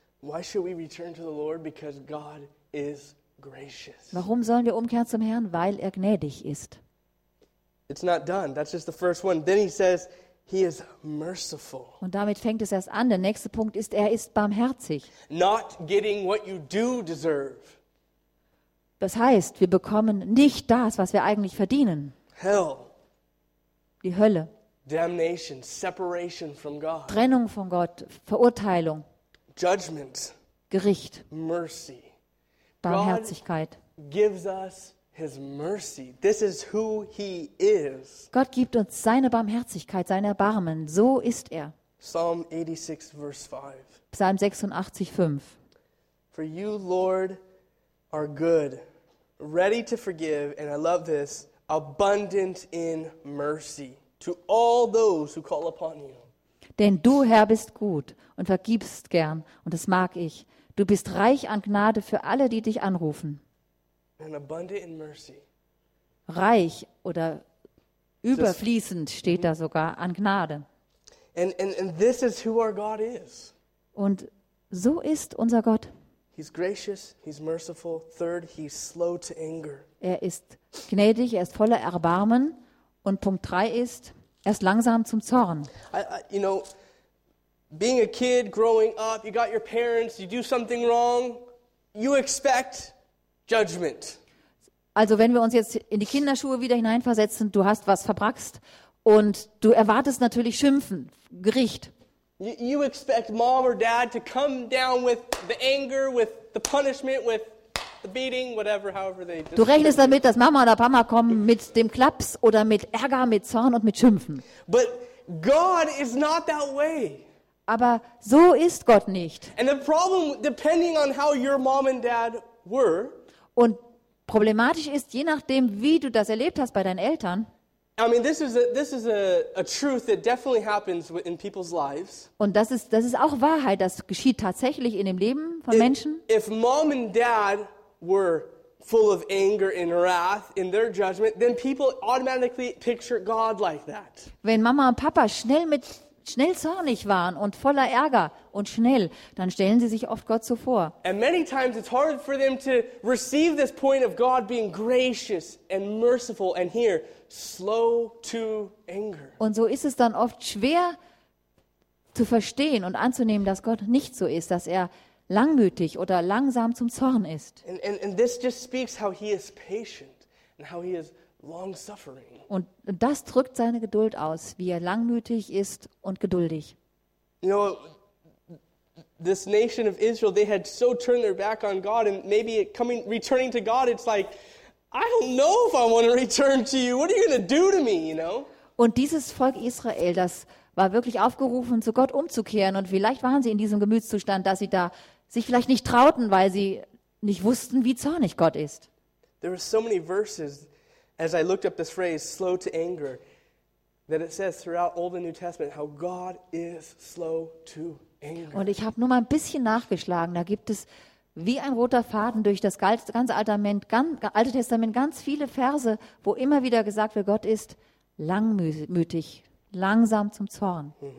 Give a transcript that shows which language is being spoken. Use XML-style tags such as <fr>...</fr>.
<en>Why should we return to the Lord? Because God is gracious.</en> <de>Warum sollen wir umkehren zum Herrn? Weil er gnädig ist.</de> <en>It's not done. That's just the first one. Then he says, he is merciful.</en> <de>Und damit fängt es erst an. Der nächste Punkt ist, er ist barmherzig.</de> <en>Not getting what you do deserve.</en> <de>Das heißt, wir bekommen nicht das, was wir eigentlich verdienen.</de> <en>Hell.</en> <de>Die Hölle.</de> <en>Damnation, separation from God.</en> <de>Trennung von Gott, Verurteilung.</de> <en>Judgment.</en> <de>Gericht.</de> <en>Mercy.</en> <de>Barmherzigkeit.</de> <en>Gives us his mercy. This is who he is.</en> <de>Gott gibt uns seine Barmherzigkeit, sein Erbarmen. So ist er.</de> <en>Psalm 86, verse 5.</en> <de>Psalm 86, 5.</de> <en>For you, Lord, are good, ready to forgive, and I love this, abundant in mercy to all those who call upon you.</en> <de>Denn du, Herr, bist gut und vergibst gern, und das mag ich. Du bist reich an Gnade für alle, die dich anrufen.</de> <en>And abundant in mercy.</en> <de>Reich oder überfließend steht da sogar an Gnade.</de> <en>And this is who our God is.</en> <de>Und so ist unser Gott.</de> <en>He's gracious, he's merciful. Third, he's slow to anger.</en> <de>Er ist gnädig, er ist voller Erbarmen. Und Punkt 3 ist, er ist langsam zum Zorn.</de> <en>You know, being a kid, growing up, you got your parents, you do something wrong, you expect judgment.</en> <de>Also wenn wir uns jetzt in die Kinderschuhe wieder hineinversetzen, du hast was verbraxt und du erwartest natürlich Schimpfen, Gericht.</de> <en>You expect mom or dad to come down with the anger, with the punishment, with the beating, whatever, however they.</en> <de>Du rechnest damit, dass Mama oder Papa kommen mit dem Klaps oder mit Ärger, mit Zorn und mit Schimpfen.</de> <en>But God is not that way.</en> <de>Aber so ist Gott nicht.</de> <en>And the problem, depending on how your mom and dad were.</en> <de>Und problematisch ist, je nachdem, wie du das erlebt hast bei deinen Eltern.</de> <en>I mean, this is a truth that definitely happens in people's lives.</en> <de>Und das ist auch Wahrheit, das geschieht tatsächlich in dem Leben von Menschen.</de> <en>If mom and dad were full of anger and wrath in their judgment, then people automatically picture God like that.</en> <de>Wenn Mama und Papa schnell zornig waren und voller Ärger und schnell, dann stellen sie sich oft Gott so vor.</de> <en>And many times it's hard for them to receive this point of God being gracious and merciful and here slow to anger.</en> <de>Und so ist es dann oft schwer zu verstehen und anzunehmen, dass Gott nicht so ist, dass er langmütig oder langsam zum Zorn ist.</de> <en>And this just speaks how he is patient and how he is long-suffering.</en> <de>Und das drückt seine Geduld aus, wie er langmütig ist und geduldig.</de> <en>You know, this nation of Israel, they had so turned their back on God, and maybe it coming returning to God, it's like, I don't know if I want to return to you. What are you going to do to me, you know?</en> <de>Und dieses Volk Israel, das war wirklich aufgerufen, zu Gott umzukehren. Und vielleicht waren sie in diesem Gemütszustand, dass sie da sich vielleicht nicht trauten, weil sie nicht wussten, wie zornig Gott ist.</de> <en>There are so many verses, as I looked up this phrase, slow to anger, that it says throughout Old and New Testament, how God is slow to anger.</en> <de>Und ich habe nur mal ein bisschen nachgeschlagen. Da gibt es wie ein roter Faden durch das ganze Alte Testament ganz viele Verse, wo immer wieder gesagt wird, Gott ist langmütig, langsam zum Zorn.</de>